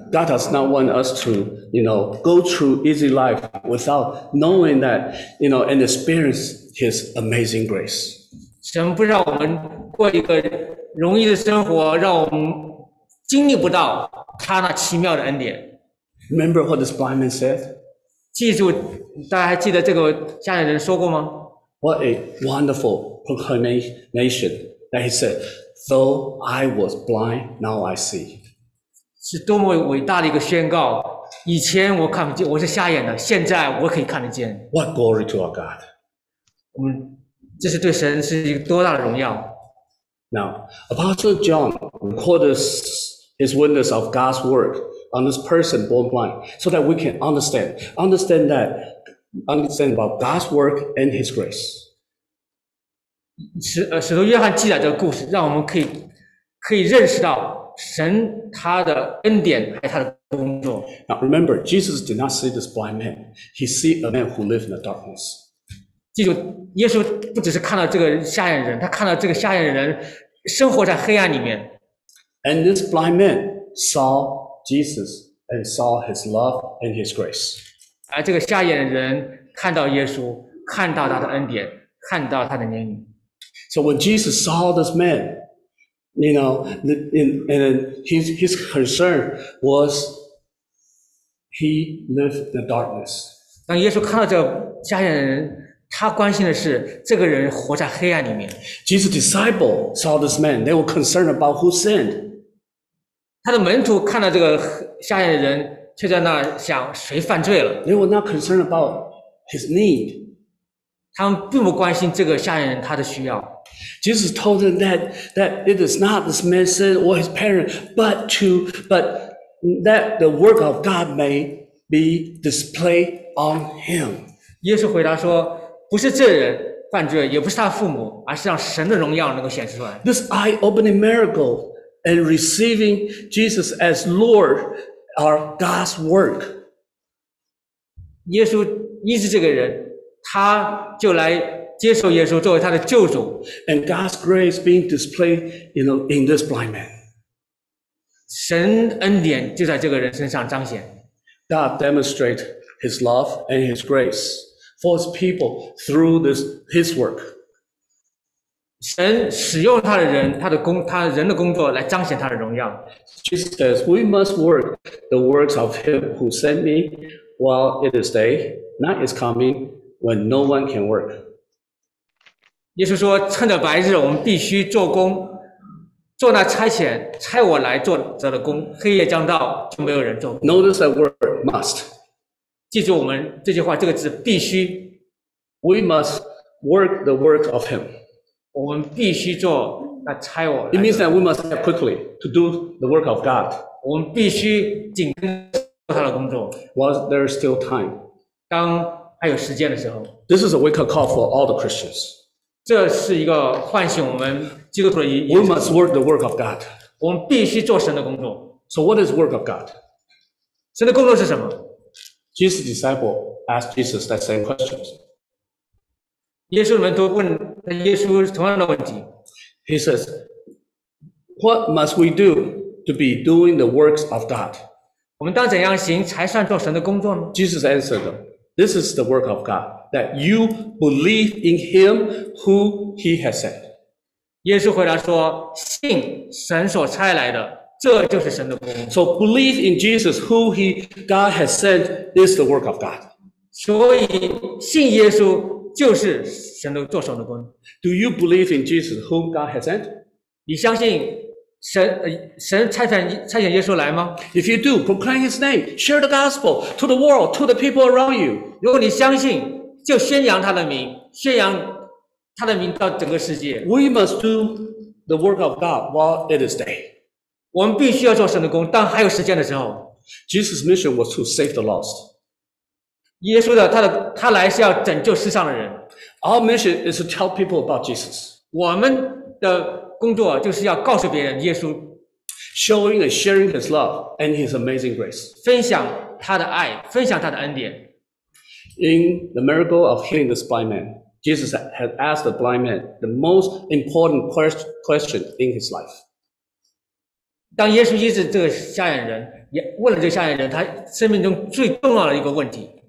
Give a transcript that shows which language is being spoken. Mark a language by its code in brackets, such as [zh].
[en] God does not want us to, you know, go through easy life without knowing that, you know, and experience His amazing grace. [zh] 神不让我们过一个容易的生活，让我们经历不到他那奇妙的恩典。 [en] Remember what this blind man said? [zh] 记住，大家还记得这个瞎眼人说过吗 [en] ？What a wonderful proclamation that he said, "Though I was blind, now I see." [zh] 是多么伟大的一个宣告！以前我看不见，我是瞎眼的，现在我可以看得见。 [en] What glory to our God！ [zh] 我们这是对神是一个多大的荣耀 [en] ！Now, Apostle John recorded his witness of God's work. On this person born blind, so that we can understand about God's work and His grace. [zh] 使徒约翰记载这个故事，让我们可以认识到神他的恩典还有他的工作。 [en] Now remember, Jesus did not see this blind man; he see a man who lived in the darkness. [zh] 记住，耶稣不只是看到这个瞎眼人，他看到这个瞎眼人生活在黑暗里面。 [en] And this blind man saw. Jesus and saw his love and his grace. [zh] 而这个瞎眼的人看到耶稣，看到他的恩典，看到他的怜悯。 [en] So when Jesus saw this man, you know, and his concern was he lived in the darkness. [zh] 当耶稣看到这个瞎眼的人，他关心的是这个人活在黑暗里面。 [en] Jesus' disciples saw this man. They were concerned about who sinned. [zh] 他的门徒看到这个瞎眼的人，却在那想谁犯罪了。 [en] They were not concerned about his need. [zh] 他们并不关心这个瞎眼人他的需要。 [en] Jesus told them that it is not this man's sin or his parents, but that the work of God may be displayed on him. [zh] 耶稣回答说，不是这人犯罪，也不是他父母，而是让神的荣耀能够显示出来。 [en] This eye-opening miracle and receiving Jesus as Lord are God's work. [zh] 耶稣医治这个人，他就来接受耶稣作为他的救主。 [en] And God's grace being displayed, in this blind man. [zh] 神恩典就在这个人身上彰显。 [en] God demonstrates His love and His grace. For his people through his work. [zh] 神使用他的人，他的工，他人的工作来彰显他的荣耀。 [en] Jesus says, "We must work the works of him who sent me while it is day. Night is coming when no one can work." [zh] 耶稣说，趁着白日，我们必须做工，做那差遣差我来做者的工。黑夜将到，就没有人做。 [en] Notice that word must. [zh] 记住我们这句话，这个字必须。 [en] We must work the work of him. [zh] 我们必须做那差我。 [en] It means that we must act quickly to do the work of God. [zh] 我们必须紧跟着他的工作。 [en] While there is still time. [zh] 当还有时间的时候。 [en] This is a wake up call for all the Christians. [zh] 这是一个唤醒我们基督徒的。 [en] We must work the work of God. [zh] 我们必须做神的工作。 [en] So what is work of God? [zh] 神的工作是什么？ [en] Jesus' disciples asked Jesus that same question. [zh] 耶稣的门徒问耶稣同样的问题。 [en] He says, "What must we do to be doing the works of God?" [zh] 我们当怎样行才算做神的工作呢？ [en] Jesus answered them, "This is the work of God, that you believe in Him who He has sent." [zh] 耶稣回答说，信神所差来的。这就是神的工作。 [en] So believe in Jesus, who He God has sent, is the work of God. [zh] 所以信耶稣就是神的做神的工作。 [en] Do you believe in Jesus, whom God has sent? [zh] 你相信神差遣耶稣来吗 [en] ？If you do, proclaim His name, share the gospel to the world, to the people around you. [zh] 如果你相信，就宣扬他的名，宣扬他的名到整个世界。 [en] We must do the work of God while it is day. [zh] 我们必须要做神的工，当还有时间的时候。 [en] Jesus' mission was to save the lost. [zh] 耶稣的他来是要拯救世上的人。 [en] Our mission is to tell people about Jesus. [zh] 我们的工作就是要告诉别人耶稣。 [en] Showing and sharing His love and His amazing grace. [zh] 分享他的爱，分享他的恩典。 [en] In the miracle of healing this blind man, Jesus had asked the blind man the most important question in his life. [zh] 当耶稣医治这个瞎眼人，也问了这个瞎眼人他生命中最重要的一个问题